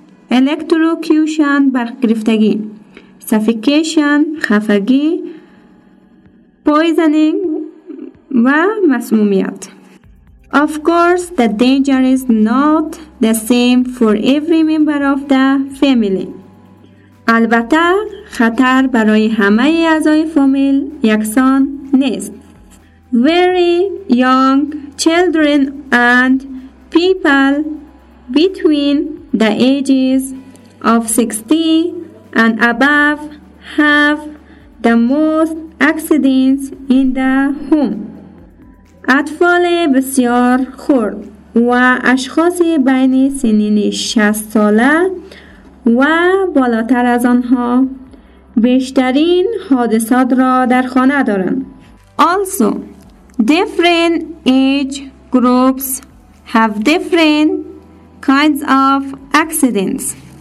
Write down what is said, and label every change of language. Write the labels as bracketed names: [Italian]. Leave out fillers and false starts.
[Persian] الکتروکیوشن برق گرفتگی، سفیکیشن خفگی، پویزنینگ و مسمومیت. [English] Of course, the danger is not the same for every member of the family. [Persian] البته خطر برای همه اعضای فامیل یکسان نیست. [English] Very young children and people between the ages of 60 and above have the most accidents in the home. [Persian] اطفال بسیار خرد و اشخاص بین سنین 60 ساله و بالاتر از آنها بیشترین حادثات را در خانه دارند. [English] Also, different age groups have different kinds of accidents.